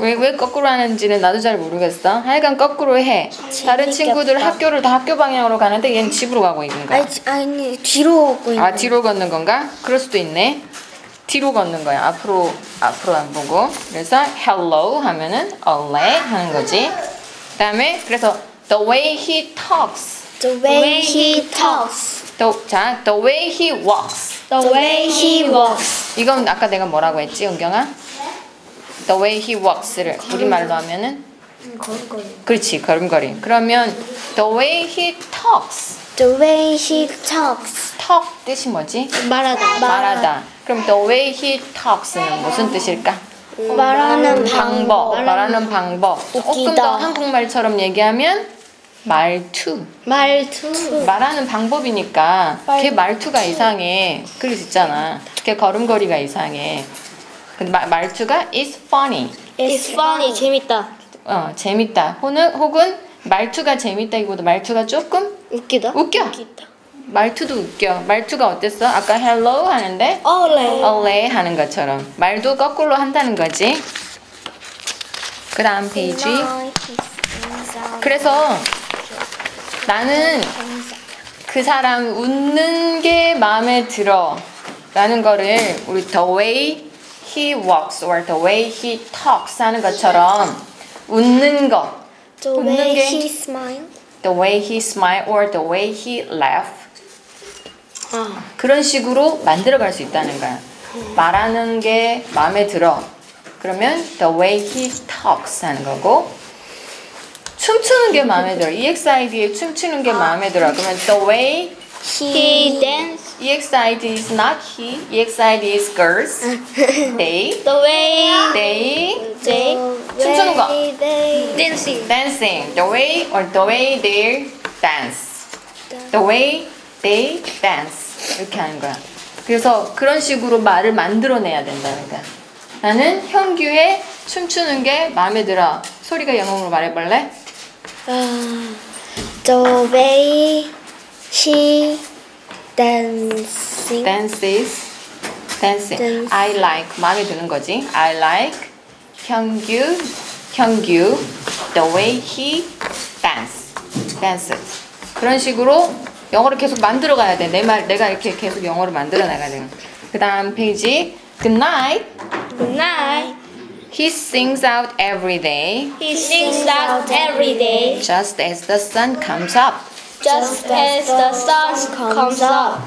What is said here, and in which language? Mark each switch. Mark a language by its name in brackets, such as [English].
[Korean] 왜 거꾸로 하는지는 나도 잘 모르겠어. 하여간 거꾸로 해. 다른 친구들 학교를 다 학교 방향으로 가는데 얘는 집으로 가고 있는 거야. 아니, 뒤로 걷고 있는 아, 뒤로 걷는 건가? 그럴 수도 있네. 뒤로 걷는 거야. 앞으로 안 보고. 그래서 hello 하면은 올레 하는 거지. 그다음에 그래서 [English] the way he talks. The way he talks. The way he walks. The way he walks. [Korean] 이건 아까 내가 뭐라고 했지, 은경아? [English] The way he walks를 [Korean] 우리말로 하면은 걸음걸이. 그렇지, 걸음걸이. [English] 그러면 the way he talks. The way he talks. [Korean] Talk 뜻이 뭐지? 말하다. 말하다. [English] 그럼 the way he talks는 [Korean] 무슨 뜻일까? 말하는 방법. 말하는 방법. 조금 더 한국말처럼 얘기하면 말투. 말투. 말하는 방법이니까 말투. 걔 말투가 이상해. 그럴 수 있잖아. 걔 걸음걸이가 이상해. 근데 말투가 [English] is funny. It's funny. [Korean] 재밌다. 재밌다. 혹은 말투가 재밌다 이거보다 말투가 조금 웃기다. 웃겨. 웃기다. 말투도 웃겨. 말투가 어땠어? 아까 hello 하는데 ole. ole 하는 것처럼 말도 거꾸로 한다는 거지. 그다음 페이지. 그래서 나는 그 사람 웃는 게 마음에 들어 라는 거를 우리 [English] the way he walks or the way he talks [Korean] 하는 것처럼 웃는 거 웃는 게 [English] he smile. the way he smile or the way he laugh [Korean] 그런 식으로 만들어갈 수 있다는 거야. 말하는 게 마음에 들어. 그러면 [English] the way he talks [Korean] 하는 거고 춤추는 게 마음에 들어. EXID의 춤추는 게 마음에 들어. [English] 그러면 the way he dance. EXID is not he. EXID is girls. They. The way they. They. [Korean] 춤추는 거. [English] Dancing. Dancing. The way or the way they dance. The way. They dance [Korean] 이렇게 하는 거야. 그래서 그런 식으로 말을 만들어내야 된다는 거야. 나는 현규의 춤추는 게 마음에 들어. 소리가 영어로 말해볼래? [English] The way he dancing. Dances. Dancing. Dance. I like [Korean] 마음에 드는 거지. [English] I like 현규 the way he dances. [Korean] 그런 식으로. 영어를 계속 만들어 가야 돼. 내 말, 내가 이렇게 계속 영어를 만들어 나가야 돼. 그 다음 페이지. [English] Good night. Good night. He sings out every day. He sings out every day. Just as the sun comes up. Just as the sun comes up.